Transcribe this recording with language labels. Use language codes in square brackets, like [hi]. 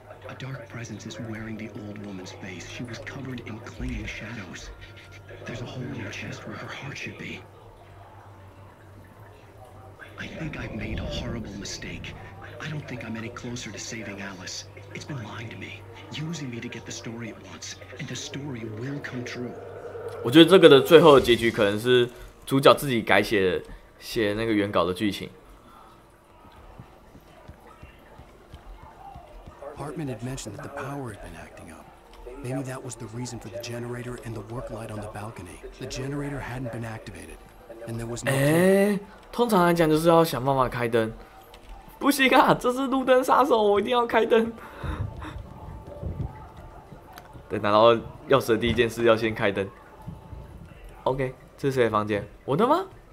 [en] A dark presence is wearing the old woman's face. She was covered in clinging shadows. There's a hole in her chest where her heart should be. I think I've made a horrible mistake. I don't think I'm any closer to saving Alice. It's been lying to me, using me to get the story it wants, and the story will come true. [zh] 我觉得这个的最后的结局可能是主角自己改写写那个原稿的剧情。 [en] Hartman had mentioned that the power had been acting up. Maybe that was the reason for the generator and the work light on the balcony. The generator hadn't been activated, and there was no. [zh] 哎，通常来讲就是要想办法开灯。不行啊，这是路灯杀手，我一定要开灯。对，拿到钥匙的第一件事要先开灯。OK， 这是谁的房间？我的吗？